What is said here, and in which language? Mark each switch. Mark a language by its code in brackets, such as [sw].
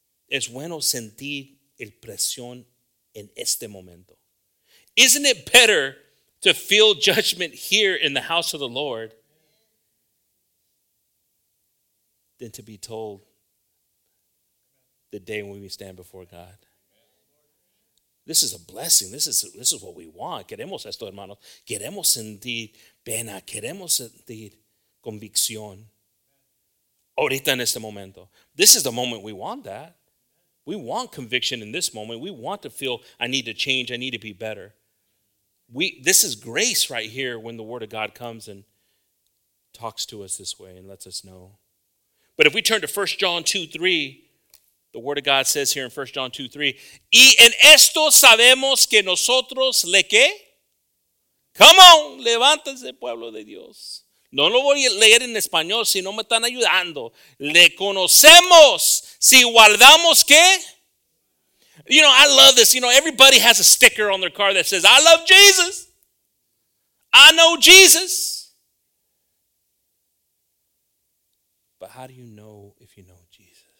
[es] Es bueno sentir el presión en este momento. [en] Isn't it better to feel judgment here in the house of the Lord than to be told the day when we stand before God? This is a blessing. This is what we want. [es] Queremos esto, hermanos. Queremos sentir pena. Queremos sentir convicción. Ahorita en este momento. [en] This is the moment we want that. We want conviction in this moment. We want to feel, I need to change. I need to be better. This is grace right here when the Word of God comes and talks to us this way and lets us know. But if we turn to 1 John 2:3, the Word of God says here in 1 John 2:3, [es] y en esto sabemos que nosotros le que? Come on, levántense, pueblo de Dios. No lo voy a leer en español si no me están ayudando. Le conocemos si guardamos que? [en] You know, I love this. You know, everybody has a sticker on their car that says, I love Jesus. I know Jesus. But how do you know if you know Jesus?